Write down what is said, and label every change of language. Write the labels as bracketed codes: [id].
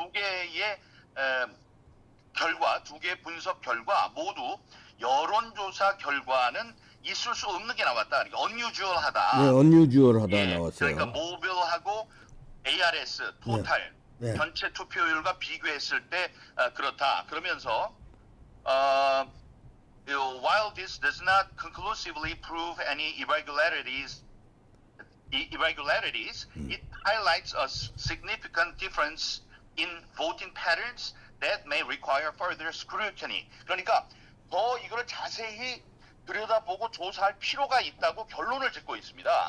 [ko] 개의 결과, 두 개의 분석 결과 모두 여론조사 결과는 있을 수 없는 게 나왔다. 그러니까 unusual하다. 네, unusual하다 예, 나왔어요. 그러니까 모빌하고 ARS, 토탈, 네. 네. 전체 투표율과 비교했을 때 그렇다. 그러면서 [en] while this does not conclusively prove any irregularities, it highlights a significant difference in voting patterns that may require further scrutiny. [ko] 그러니까 더 이거를 자세히 들여다보고 조사할 필요가 있다고 결론을 짓고 있습니다.